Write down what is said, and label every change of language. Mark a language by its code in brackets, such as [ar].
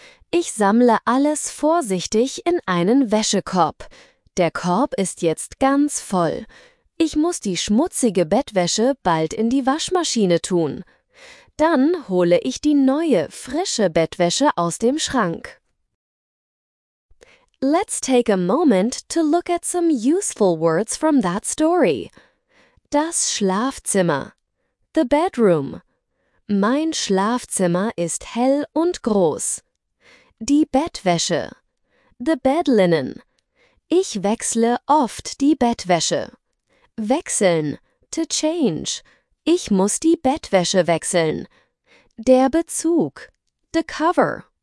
[de] Ich sammle alles vorsichtig in einen Wäschekorb. Der Korb ist jetzt ganz voll. Ich muss die schmutzige Bettwäsche bald in die Waschmaschine tun. Dann hole ich die neue, frische Bettwäsche aus dem Schrank. [en] Let's take a moment to look at some useful words from that story. [de] Das Schlafzimmer. [en] The bedroom. [de] Mein Schlafzimmer ist hell und groß. Die Bettwäsche. [en] The bed linen. [de] Ich wechsle oft die Bettwäsche. Wechseln. [en] To change. [de] Ich muss die Bettwäsche wechseln. Der Bezug. [en] The cover.